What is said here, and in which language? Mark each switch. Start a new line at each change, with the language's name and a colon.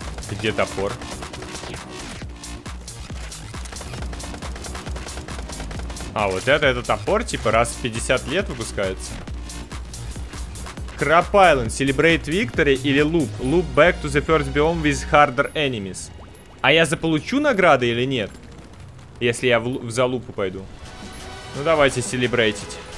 Russian: Где топор? А, вот это топор, типа, раз в 50 лет выпускается.
English: Crab Island, Celebrate Victory или Loop? Loop back to the first biome with harder enemies.
Russian: А я заполучу награды или нет? Если я в залупу пойду. Ну, давайте селебрейтить.